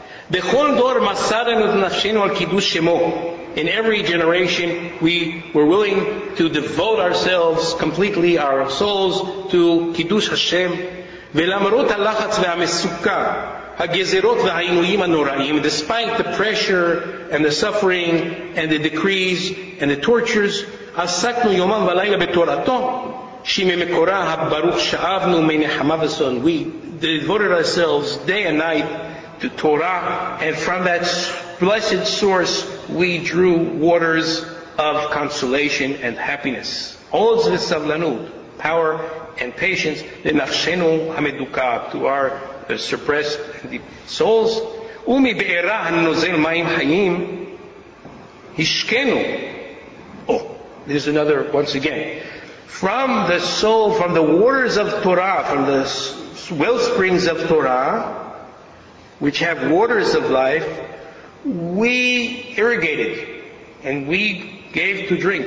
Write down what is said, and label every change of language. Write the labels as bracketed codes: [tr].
[he] בכל דור מסרנו את נפשנו על קידוש שמו. [en] In every generation, we were willing to devote ourselves completely, our souls, to Kiddush Hashem. [he] ולמרות הלחץ והמסוכה, הגזרות והעינויים הנוראים, [en] despite the pressure and the suffering and the decrees and the tortures, [he] עסקנו יומם ולילה בתורתו, שממקורה הברוך שאבנו מנחמה וסון. [en] We devoted ourselves day and night to Torah, and from that blessed source we drew waters of consolation and happiness. [he] Olz v'savlanut, [en] power and patience, [he] לנפשנו המדוקה, [en] to our suppressed and deep souls. [he] ומבערה הנוזל מים חיים, השקנו. [en] Oh, there's another, once again. From the soul, from the waters of Torah, from the wellsprings of Torah, which have waters of life, we irrigated and we gave to drink.